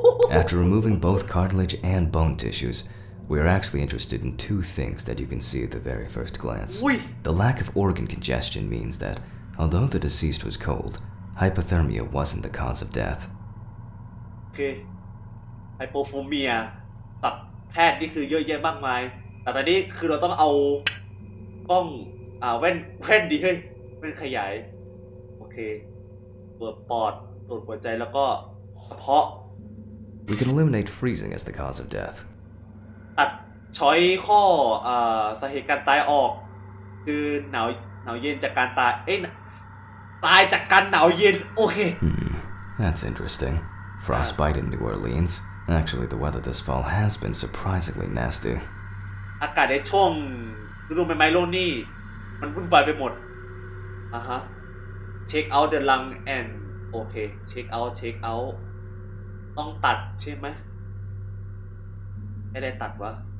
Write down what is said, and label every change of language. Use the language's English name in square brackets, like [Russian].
[English] After removing both cartilage and bone tissues we are actually interested in two things that you can see at the very first glance The lack of organ congestion means that although the deceased was cold hypothermia wasn't the cause of death [Thai] โอเคไฮโปโทเมียแพทย์นี่คือเยอะแยะมากมายแต่ตอนนี้คือเราต้องเอากล้องแว่นดีเฮ้ยมันขยายโอเคปอดตรวจหัวใจแล้วก็กระเพาะ [English] We can eliminate freezing as the cause of death [Thai] ตัดช้อยข้อสาเหตุการตายออกคือหนาวเย็นจากการตายเอ้ยตายจากการหนาวเย็นโอเค [English] That's interesting Frostbite in New OrleansActually, the weather this fall has been surprisingly nasty. [Thai] อากาศในช่วงฤดูใบไม้ร่วงนี่มันวุ่นวายไปหมดฮะ [English] check out the lung and okay check out [Thai] ต้องตัดใช่ไหมไม่ได้ตัดวะ